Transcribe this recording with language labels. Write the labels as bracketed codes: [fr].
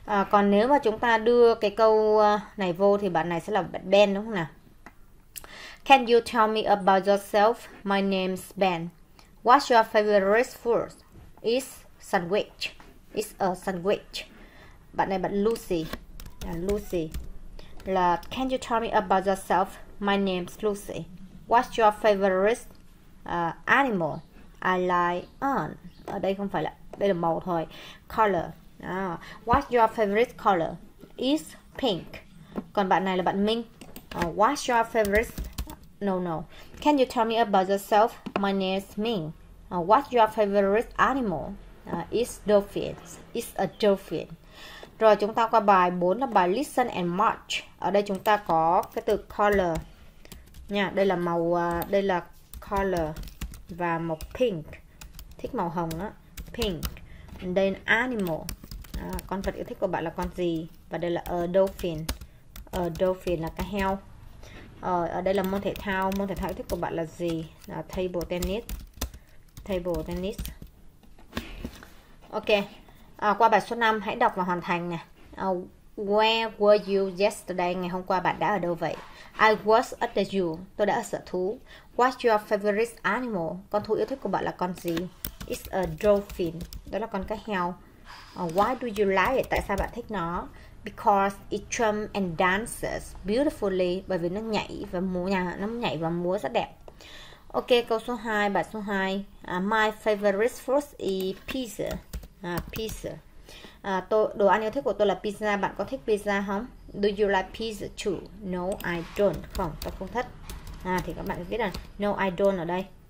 [vi] Còn nếu mà chúng ta đưa cái câu này vô thì bạn này sẽ là bạn Ben đúng không nào? [en] Can you tell me about yourself? My name's Ben. What's your favorite food? Is sandwich. Is a sandwich. [vi] Bạn này bạn Lucy. Lucy là [en] can you tell me about yourself? My name's Lucy. What's your favorite animal? I like [vi] ở đây không phải là, đây là màu thôi. [en] Color. À, what's your favorite color? Is pink. [vi] Còn bạn này là bạn Minh. [en] What's your favorite? No, no. Can you tell me about yourself? My name is Minh. What's your favorite animal? Is dolphin. Is a dolphin. [vi] Rồi chúng ta qua bài 4 là bài [en] listen and march. [vi] Ở đây chúng ta có cái từ color. Nha, đây là màu, đây là color và màu pink. Thích màu hồng á, pink. [en] And then animal. [vi] À, con vật yêu thích của bạn là con gì? Và đây là a dolphin. A dolphin là cá heo. Ở đây là môn thể thao yêu thích của bạn là gì? Là table tennis. Table tennis. Ok. À, qua bài số 5 hãy đọc và hoàn thành nè. [en] Where were you yesterday? [vi] Ngày hôm qua bạn đã ở đâu vậy? [en] I was at the zoo. [vi] Tôi đã ở sở thú. [en] What's your favorite animal? [vi] Con thú yêu thích của bạn là con gì? [en] It's a dolphin. [vi] Đó là con cá heo. [en] Why do you like it? [vi] Tại sao bạn thích nó? [en] Because it jumps and dances beautifully. [vi] Bởi vì nó nhảy và múa nha, nó nhảy và múa rất đẹp. Ok, câu số 2, bài số 2. [en] My favorite food is pizza. Pizza. [vi] Tôi, đồ ăn yêu thích của tôi là pizza. Bạn có thích pizza không? [en] Do you like pizza too? No, I don't. [vi] Không, tôi không thích. À, thì các bạn biết là [en] no, I don't [vi] ở đây.